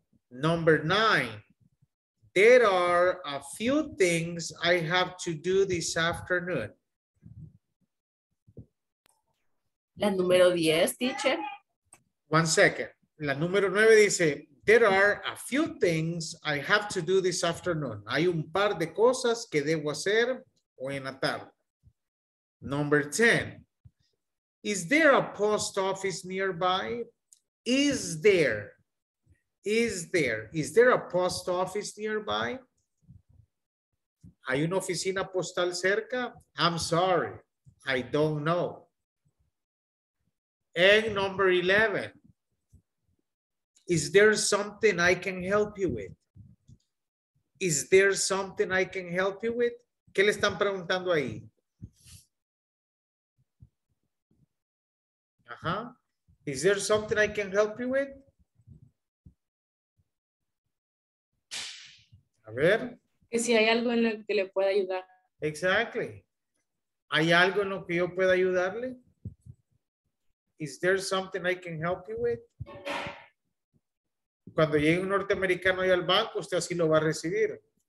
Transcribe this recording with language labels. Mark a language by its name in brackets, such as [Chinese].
[English] Number nine, there are a few things I have to do this afternoon. [Spanish] La número 10, teacher. [English] One second. [Spanish] La número 9 dice, [English] there are a few things I have to do this afternoon. [Spanish] Hay un par de cosas que debo hacer hoy en la tarde. [English] Number 10. Is there a post office nearby? Is there a post office nearby? [Spanish] ¿Hay una oficina postal cerca? [English] I'm sorry, I don't know. And number 11. Is there something I can help you with? Is there something I can help you with? [Spanish] ¿Qué le están preguntando ahí? [English] Uh-huh. Is there something I can help you with? [Spanish] A ver. Que si hay algo en lo que le pueda ayudar. [English] Exactly. [Spanish] ¿Hay algo en lo que yo pueda ayudarle? [English] Is there something I can help you with? [Spanish] Cuando llegue un norteamericano ahí al banco, usted así lo va a recibir.